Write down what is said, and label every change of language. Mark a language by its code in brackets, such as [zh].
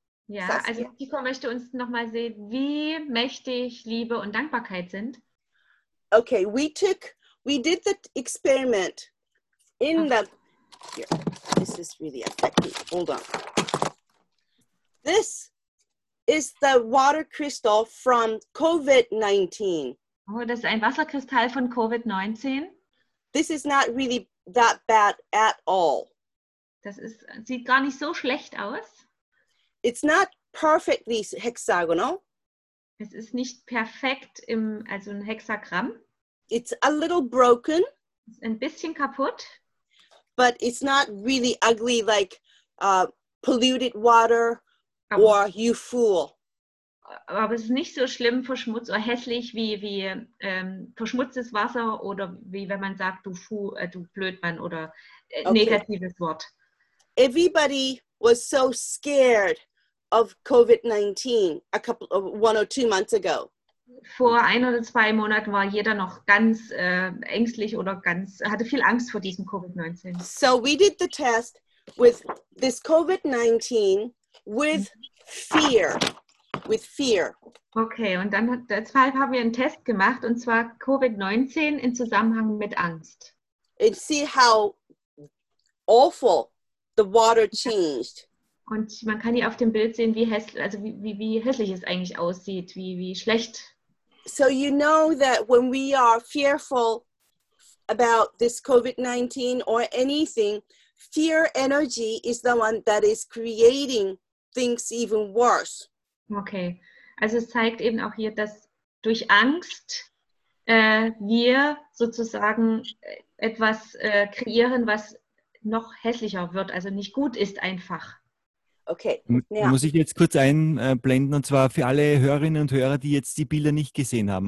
[de] Ja, also Kiko möchte uns nochmal sehen, wie mächtig Liebe und Dankbarkeit sind. [en] Okay, we did the experiment in this is really effective. Hold on. This is the water crystal from COVID-19. [de] Oh, das ist ein Wasserkristall von COVID-19. [en] This is not really that bad at all. [de] Das ist, sieht gar nicht so schlecht aus. [en] It's not perfectly hexagonal. [de] Es ist nicht perfekt im, also ein Hexagramm. [en] It's a little broken. [de] Ist ein bisschen kaputt. [en] But it's not really ugly like polluted water or you fool. [de] Aber es ist nicht so schlimm verschmutzt oder hässlich wie verschmutztes Wasser oder wie wenn man sagt du Blödmann oder negatives Wort. [en] Everybody was so scared of COVID-19 one or two months ago. [de] Vor ein oder zwei Monaten war jeder noch ganz ängstlich oder ganz hatte viel Angst vor diesem COVID-19. [en] So we did the test with this COVID-19 with fear. With fear. [de] Okay, und dann deshalb haben wir einen Test gemacht und zwar COVID-19 in Zusammenhang mit Angst. [en] And see how awful the water changed. [de] Und man kann hier auf dem Bild sehen, wie hässlich es eigentlich aussieht, wie schlecht. [en] So you know that when we are fearful about this COVID-19 or anything, fear energy is the one that is creating things even worse. [de] Okay, also es zeigt eben auch hier, dass durch Angst wir sozusagen etwas kreieren, was noch hässlicher wird, also nicht gut ist einfach. Okay. Muss ich jetzt kurz einblenden und zwar für alle Hörerinnen und Hörer, die jetzt die Bilder nicht gesehen haben.